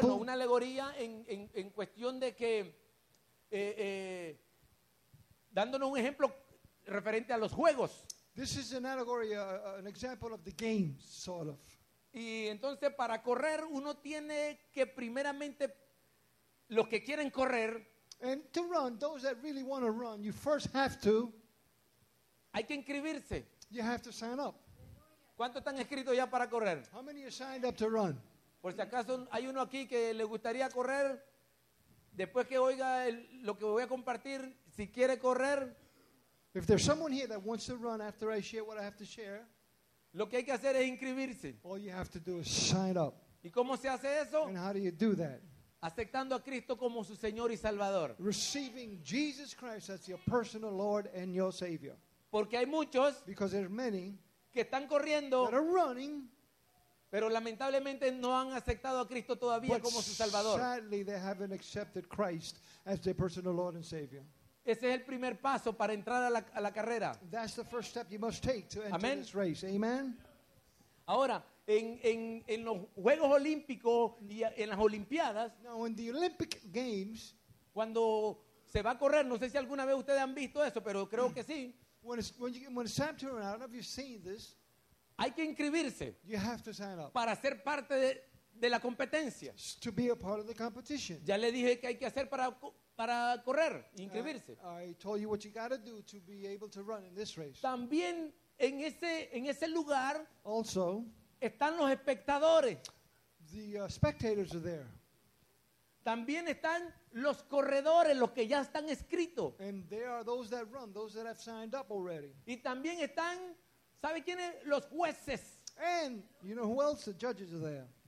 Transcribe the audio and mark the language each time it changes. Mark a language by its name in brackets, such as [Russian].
[Spanish] Bueno, una alegoría en cuestión de que dándonos un ejemplo referente a los juegos. [English] This is an allegory, an example of the games, sort of. [Spanish] Y entonces para correr uno tiene que primeramente los que quieren correr. [English] And to run, those that really want to run, you first have to. [Spanish] Hay que inscribirse. [English] You have to sign up. [Spanish] ¿Cuántos están escritos ya para correr? [English] How many are signed up to run? [Spanish] Por si acaso hay uno aquí que le gustaría correr, después que oiga lo que voy a compartir, si quiere correr. [English] If there's someone here that wants to run after I share what I have to share, [Spanish] lo que hay que hacer es inscribirse. [English] All you have to do is sign up. [Spanish] ¿Y cómo se hace eso? [English] And how do you do that? [Spanish] Aceptando a Cristo como su Señor y Salvador. [English] Receiving Jesus Christ as your personal Lord and your Savior. [Spanish] Porque hay muchos, [English] because there are many, [Spanish] que están corriendo, [English] running, [Spanish] pero lamentablemente no han aceptado a Cristo todavía como su Salvador. [English] Sadly, they haven't accepted Christ as their personal Lord and Savior. [Spanish] Ese es el primer paso para entrar a la carrera. [English] That's the first step you must take to enter. Amen. This race. Amen. [Spanish] Ahora, en los Juegos Olímpicos y en las Olimpiadas, [English] now in the Olympic Games, [Spanish] cuando se va a correr, no sé si alguna vez ustedes han visto eso, pero creo que sí. [English] When it's time to run, I don't know if you've seen this. [Spanish] Hay que inscribirse. [English] You have to sign up. [Spanish] Para ser parte de la competencia. [English] To be a part of the competition. [Spanish] Ya le dije que hay que hacer para correr, inscribirse. [English] I told you what you got to do to be able to run in this race. [Spanish] También en ese lugar. [English] Also. [Spanish] Están los espectadores. [English] The spectators are there. [Spanish] También están los corredores, los que ya están escritos. [English] And there are those that run, those that have signed up already. [Spanish] Y también están, ¿sabe quiénes? Los jueces. [English] And you know who else? The judges are there.